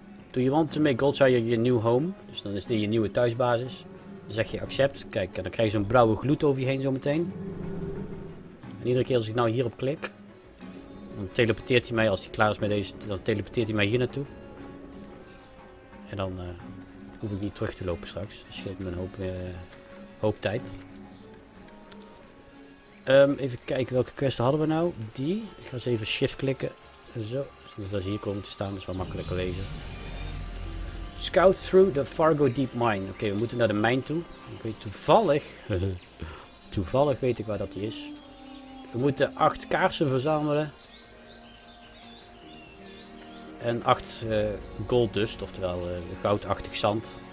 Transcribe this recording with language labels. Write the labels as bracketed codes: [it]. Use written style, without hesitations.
[en] Do you want to make Goldshire your new home? [nl] Dus dan is dit je nieuwe thuisbasis. Dan zeg je accept. Kijk, en dan krijg je zo'n blauwe gloed over je heen zometeen. En iedere keer als ik nou hierop klik, dan teleporteert hij mij, als hij klaar is met deze, dan teleporteert hij mij hier naartoe. En dan hoef ik niet terug te lopen straks. Dat scheelt me een hoop tijd. Even kijken welke quests hadden we nou. Die. Ik ga eens even shift klikken. Zo, dus als je hier komt te staan, is wel makkelijker lezen. [en] Scout through the Fargo Deep Mine. [nl] Oké, we moeten naar de mijn toe. Ik weet toevallig. Toevallig weet ik waar dat die is. We moeten 8 kaarsen verzamelen. En 8 gold dust, oftewel goudachtig zand.